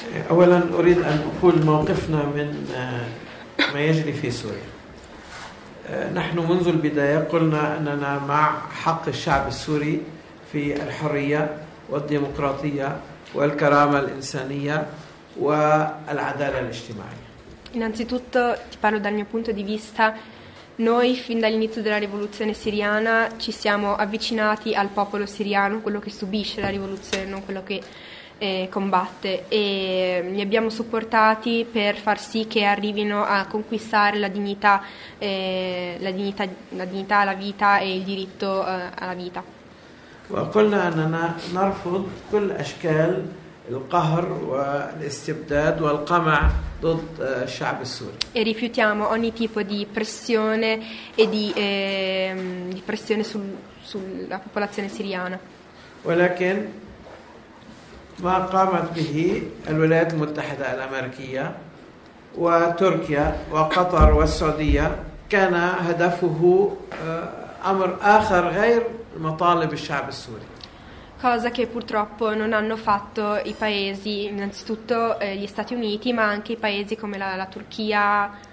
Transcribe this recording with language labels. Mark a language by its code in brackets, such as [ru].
[ar] أولا أريد أن أقول موقفنا من ما يجري في سوريا. نحن منذ البداية قلنا أننا مع حق الشعب السوري في الحرية والديمقراطية والكرامة الإنسانية والعدالة الاجتماعية. [it] Innanzitutto ti parlo dal mio punto di vista. Noi fin dall'inizio della rivoluzione siriana ci siamo avvicinati al popolo siriano, quello che subisce la rivoluzione, non quello che combatte, e li abbiamo supportati per far sì che arrivino a conquistare la dignità alla vita e il diritto alla vita. [ar] وقلنا أننا نرفض كل أشكال القهر والاستبداد والقمع ضد الشعب السوري. [it] E rifiutiamo ogni tipo di pressione e di pressione sulla popolazione siriana. [ar] ولكن ما قامت به الولايات المتحدة الأمريكية وتركيا وقطر والسعودية كان هدفه أمر آخر غير مطالب الشعب السوري. [it] cosa che purtroppo non hanno fatto i paesi, innanzitutto gli Stati Uniti, ma anche i paesi come la Turchia,